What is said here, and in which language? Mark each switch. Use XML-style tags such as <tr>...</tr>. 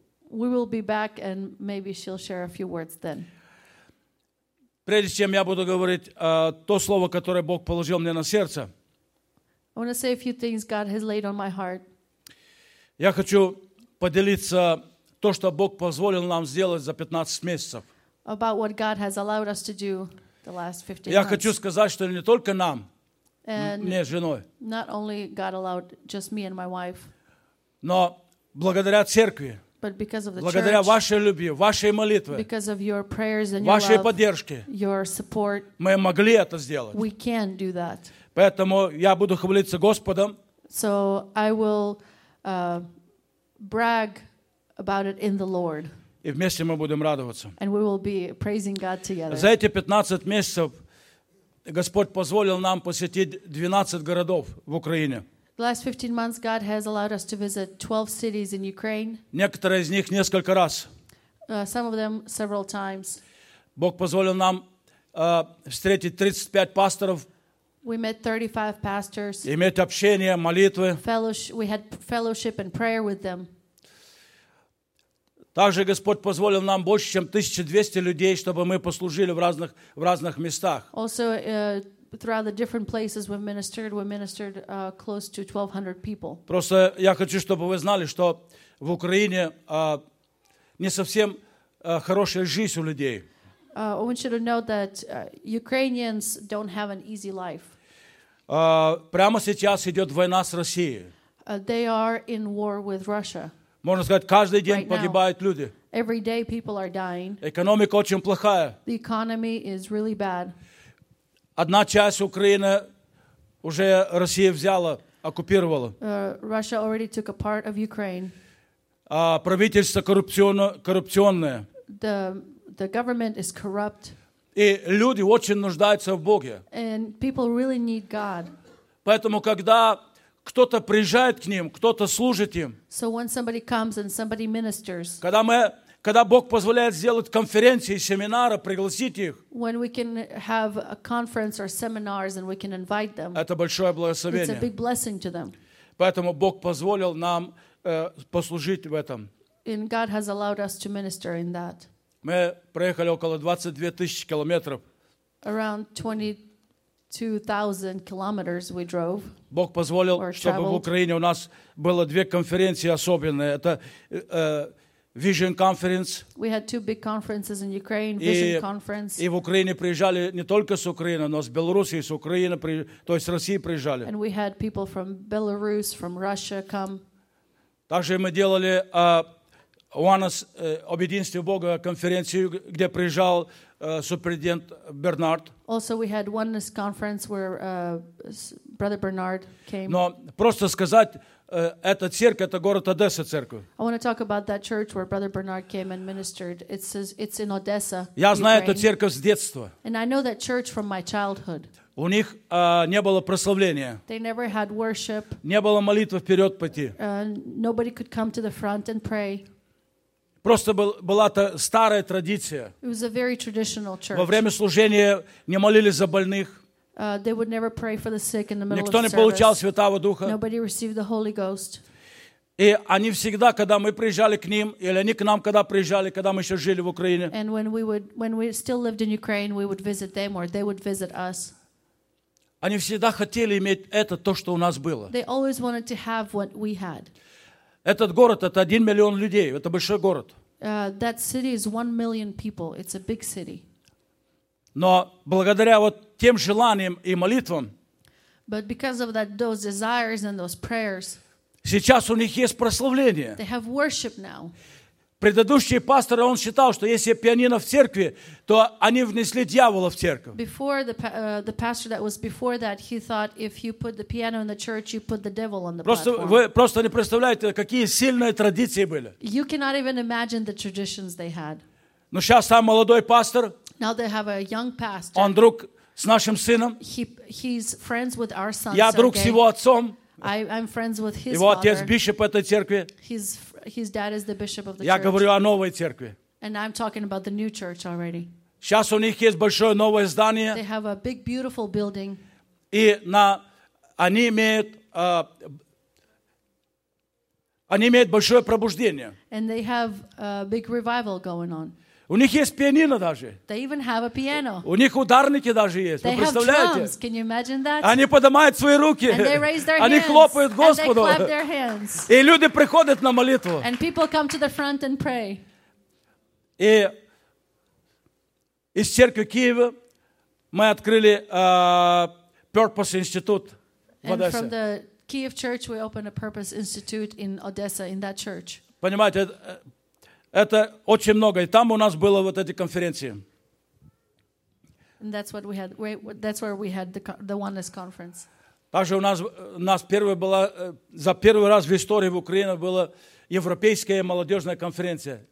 <en>We will be back, and maybe she'll share a few words then.</en> <ru>Прежде чем я буду говорить то слово, которое Бог положил мне на сердце,</ru> <en>I want to say a few things God has laid on my heart.</en> <ru>Я хочу поделиться то, что Бог позволил нам сделать за 15 месяцев.</ru> <en>About what God has allowed us to do the last 15 months.</en> <ru>Я хочу сказать, что не только нам, мне, женой.</ru> <en>Not only God allowed just me and my wife.</en> <ru>Но благодаря церкви.</ru> <en>But because of the</en> <ru>благодаря Благодаря вашей любви, вашей молитве.</ru> <en>Because of your prayers and</en> <ru>вашей</ru> <en>your love,</en> <ru>поддержки.</ru> <en>Your support.</en> <ru>Мы могли это сделать.</ru> <en>We can do that.</en> <ru>Поэтому я буду хвалиться Господом.</ru> <en>So I will brag about it in the Lord.</en> <ru>И вместе мы будем радоваться.</ru> <en>And we will be praising God together.</en> <ru>За эти 15 месяцев Господь позволил нам посетить 12 городов в Украине.</ru> <en>The last 15 months God has allowed us to visit 12 cities in Ukraine.</en> <ru>Некоторые из них несколько раз.</ru> <en>Some of them several times.</en> <ru>Бог позволил нам встретить 35 пасторов.</ru> <en>We met 35 pastors.</en> <ru>Иметь общение, молитвы.</ru> <en>We had fellowship and prayer with them.</en> <ru>Также Господь позволил нам больше, чем 1200 людей, чтобы мы послужили в разных местах.</ru> <en>Also, throughout the different places we ministered close to 1200 people.</en> <ru>Просто я хочу, чтобы вы знали, что в Украине не совсем хорошая жизнь у людей.</ru> <en>I want you to know that Ukrainians don't have an easy life.</en> <ru>Прямо сейчас идет война с Россией.</ru> <en>They are in war with Russia.</en> <ru>Можно сказать, каждый день</ru> <en>right</en> <ru>погибают</ru> <en>now,</en> <ru>люди.</ru> <en>Every day people are dying.</en> <ru>Экономика очень плохая.</ru> <en>The economy is really bad.</en> <ru>Одна часть Украины уже Россия взяла, оккупировала.</ru> <en>Russia already took a part of Ukraine.</en> <ru>Правительство коррупционное.</ru> <en>The government is corrupt.</en> <ru>И люди очень нуждаются в Боге.</ru> <en>And people really need God.</en> <ru>Поэтому, когда Кто-то приезжает к ним, кто-то служит им.</ru> <en>So when somebody comes and somebody ministers.</en> <ru>Когда Бог позволяет сделать конференции, семинары, пригласить их.</ru> <en>When we can have a conference or seminars and we can invite them.</en> <ru>Это большое благословение.</ru> <en>It's a big blessing to them.</en> <ru>Поэтому Бог позволил нам послужить в этом.</ru> <en>And God has allowed us to minister in that.</en> <ru>Мы проехали около 22 тысячи километров.</ru> <en>Around 22,000 kilometers we drove.</en> <ru>Бог позволил, чтобы в Украине у нас было две конференции особенные. Это Vision Conference.</ru> <en>We had two big conferences in Ukraine, Vision Conference.</en> <ru>И в Украине приезжали не только с Украины, но с Белоруссии, с Украины, то есть с России приезжали.</ru> <en>And we had people from Belarus, from Russia come.</en> <ru>Также мы делали ОНС, Объединение Бога, конференцию, где приезжал суперинтендант Бернард.</ru> <en>Also we had Oneness Conference where Brother Bernard came.</en> <ru>Но просто сказать, эта церковь, это город Одесса церковь.</ru> <en>I want to talk about that church where Brother Bernard came and ministered. It's in Odessa.</en> <ru>Я знаю эту церковь с детства.</ru> <en>And I know that church from my childhood.</en> <ru>У них не было прославления.</ru> <en>They never had worship.</en> <ru>Не было молитвы вперед пойти.</ru> <en>Nobody could come to the front and pray.</en> <ru>Просто была старая традиция.</ru> <en>It was a very traditional church.</en> <ru>Во время служения не молились за больных.</ru> <en>They would never pray for the sick in the middle of service.</en> <ru>Никто не получал Святого Духа.</ru> <en>Nobody received the Holy Ghost.</en> <ru>И они всегда, когда мы приезжали к ним, или они к нам, когда приезжали, когда мы еще жили в Украине.</ru> <en>And when we still lived in Ukraine, we would visit them or they would visit us.</en> <ru>Они всегда хотели иметь это, то, что у нас было.</ru> <en>They always wanted to have what we had.</en> <ru>Этот город, это 1 миллион людей. Это большой город.</ru> <en>That city is 1 million people. It's a big city.</en> <ru>Но благодаря вот тем желаниям и молитвам,</ru> <en>but because of that, those desires and those prayers,</en> <ru>сейчас у них есть прославление.</ru> <en>They have worship now.</en> <ru>Предыдущий пастор, он считал, что если пианино в церкви, то они внесли дьявола в церковь.</ru> <en>Before the pastor that was before that, he thought if you put the piano in the church, you put the devil on the platform.</en> <ru>Просто вы просто не представляете, какие сильные традиции были.</ru> <en>You cannot even imagine the traditions they had.</en> <ru>Но сейчас сам молодой пастор.</ru> <en>Now they have a young pastor.</en> <ru>Он друг с нашим сыном.</ru> <en>He's friends with our son.</en> <ru>Я друг с его отцом.</ru> <en>I'm friends with his</en> <ru>его</ru> <en>father.</en> <ru>Его отец бишоп этой церкви.</ru> <en>His dad is the bishop of the</en> <ru>Я</ru> <en>church.</en> <ru>Говорю о новой церкви.</ru> <en>And I'm talking about the new church already.</en> <ru>Сейчас у них есть большое новое здание.</ru> <en>They have a big, beautiful building.</en> <ru>И они имеют большое пробуждение.</ru> <en>And they have a big revival going on.</en> <ru>У них есть пианино даже.</ru> <en>They even have a piano.</en> <ru>У них ударники даже есть.</ru> <en>They</en> <ru>Вы представляете?</ru> <en>Have drums. Can you imagine that?</en> <ru>Они поднимают свои руки.</ru> <en>And they raise their</en> <ru>Они</ru> <en>hands.</en> <ru>Хлопают Господу.</ru> <en>And they clap their hands.</en> <ru>И люди приходят на молитву.</ru> <en>And people come to the front and pray.</en> <ru>И из церкви Киева мы открыли Purpose Institute в Одессе.</ru> <en>And from the Kyiv church we opened a Purpose Institute in Odessa in that church.</en> <ru>Понимаете, это очень много. И там у нас было вот эти конференции.</ru> <en>And that's what we had. That's where we had the Oneness Conference.</en> <ru>Также у нас первая была за первый раз в истории в Украине была европейская молодежная конференция.</ru>